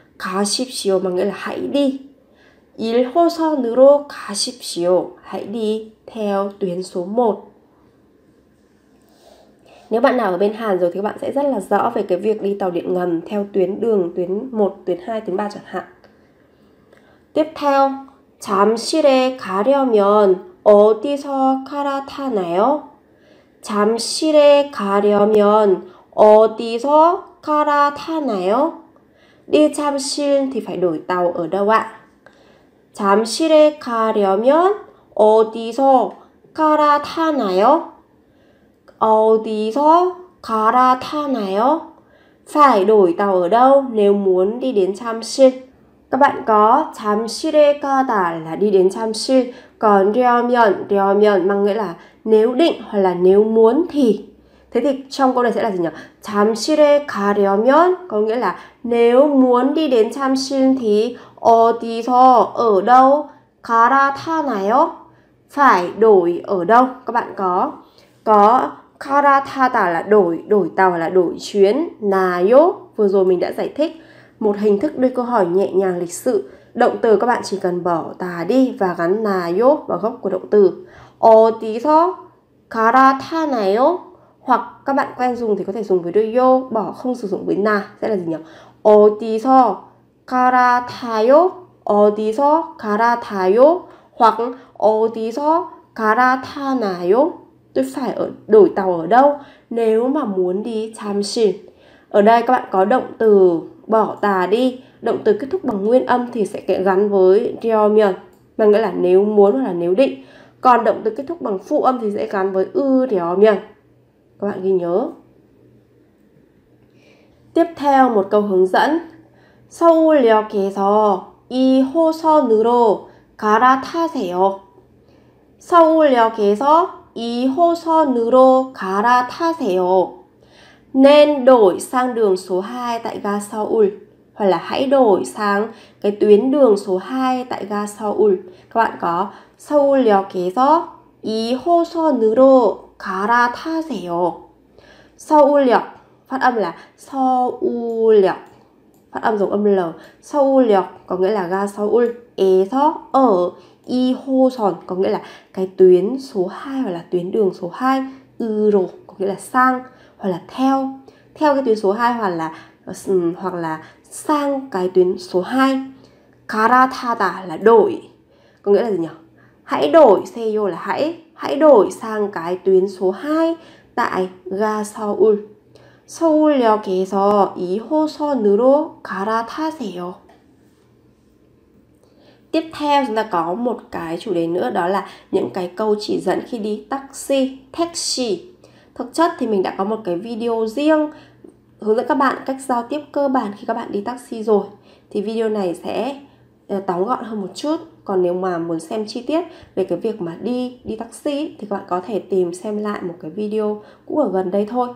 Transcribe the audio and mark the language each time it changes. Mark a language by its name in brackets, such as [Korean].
[Vietnamese] 가십시오 mang nghĩa là hãy đi. [Korean] 1호선으로 가십시오. [Vietnamese] Hãy đi theo tuyến số 1. Nếu bạn nào ở bên Hàn rồi thì các bạn sẽ rất là rõ về cái việc đi tàu điện ngầm theo tuyến đường, tuyến 1, tuyến 2, tuyến 3 chẳng hạn. Tiếp theo, [Korean] 잠실에 가려면 어디서 갈아타나요? 잠실에 가려면 어디서 갈아타나요? [Vietnamese] Đi 잠실 thì phải đổi tàu ở đâu ạ? [Korean] 잠실에 가려면 어디서 갈아타나요? 어디서 갈아타나요? [Vietnamese] Phải đổi tàu ở đâu nếu muốn đi đến 잠실? Các bạn có 잠실에 가다 là đi đến 잠실, còn 려면, 려면 mang nghĩa là nếu định hoặc là nếu muốn thì. Thế thì trong câu này sẽ là gì nhỉ? [Korean] 잠실에 가려면 [Vietnamese] có nghĩa là nếu muốn đi đến 잠실 thì 어디서 ở đâu 갈아타나요? Phải đổi ở đâu? Các bạn có 갈아타다 là đổi tàu là đổi chuyến, 나요 vừa rồi mình đã giải thích một hình thức đưa câu hỏi nhẹ nhàng lịch sự, động từ các bạn chỉ cần bỏ tà đi và gắn 나요 vào gốc của động từ. [Korean] 어디서 갈아타나요? [Vietnamese] Hoặc các bạn quen dùng thì có thể dùng với 요, bỏ không sử dụng với 나 sẽ là gì nhỉ? [Korean] 어디서 갈아타요? 어디서 갈아타요? Hoặc 어디서 갈아타나요? [Vietnamese] Tôi phải ở đổi tàu ở đâu nếu mà muốn đi 잠실. Ở đây các bạn có động từ bỏ tà đi, động từ kết thúc bằng nguyên âm thì sẽ gắn với 려면 mà nghĩa là nếu muốn hoặc là nếu định, còn động từ kết thúc bằng phụ âm thì sẽ gắn với 으려면. Các bạn ghi nhớ. Tiếp theo một câu hướng dẫn. [Korean] 서울역에서 이 호선으로 갈아타세요. 서울역에서 이 호선으로 갈아타세요. [Vietnamese] Nên đổi sang đường số 2 tại ga Seoul. Hoặc là hãy đổi sang cái tuyến đường số 2 tại ga Seoul. Các bạn có [Korean] 서울역에서 이 호선으로 갈아타세요. 서울역. [Vietnamese] Phát âm là 서울역. Phát âm dùng âm L. 서울역 có nghĩa là ga Seoul. 에서 ở 2호선 có nghĩa là cái tuyến số 2 hoặc là tuyến đường số 2. 으로 có nghĩa là sang hoặc là theo. Theo cái tuyến số 2 hoặc là sang cái tuyến số 2. 갈아타다 là đổi. Có nghĩa là gì nhỉ? Hãy đổi xe vô là hãy đổi sang cái tuyến số 2 tại ga Seoul. [Korean] 서울역에서 2호선으로 갈아타세요. [Vietnamese] Tiếp theo chúng ta có một cái chủ đề nữa, đó là những cái câu chỉ dẫn khi đi taxi, taxi. Thực chất thì mình đã có một cái video riêng hướng dẫn các bạn cách giao tiếp cơ bản khi các bạn đi taxi rồi. Thì video này sẽ tóm gọn hơn một chút. Còn nếu mà muốn xem chi tiết về cái việc mà đi taxi thì các bạn có thể tìm xem lại một cái video cũng ở gần đây thôi.